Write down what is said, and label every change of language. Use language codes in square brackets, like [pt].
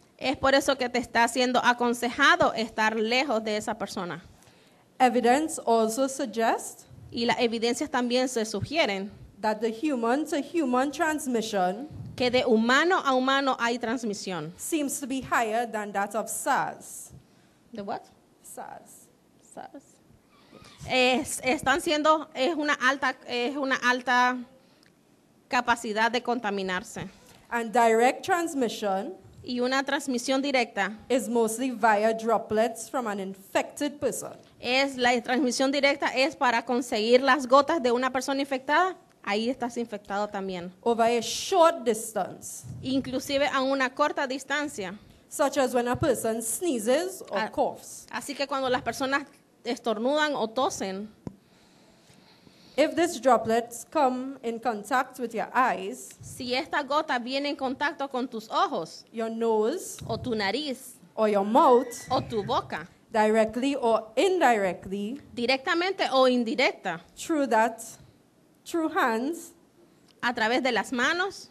[es] Es por eso que te está siendo aconsejado estar lejos de esa persona. [en] Evidence also suggests. [es] Y las evidencias también se sugieren. [en] That the human to human transmission. [es] que de humano a humano hay transmisión. [en] Seems to be higher than that of SARS. The what? SARS. [es] SARS. Es una alta capacidad de contaminarse. [en] And direct transmission. [es] Y una transmisión directa. [en] Is mostly via droplets from an infected person. [es] Es la transmisión directa es para conseguir las gotas de una persona infectada. Ahí estás infectado también. [en] Over a short distance. [es] Inclusive a una corta distancia. [en] Such as when a person sneezes or coughs. [es] Así que cuando las personas estornudan o tosen. [en] If these droplets come in contact with your eyes. [es] Si esta gota viene en contacto con tus ojos. [en] Your nose. [es] O tu nariz. [en] Or your mouth. [es] O tu boca. [en] Directly or indirectly. [es] Directamente o indirecta. [en] Through hands. [es] A través de las manos.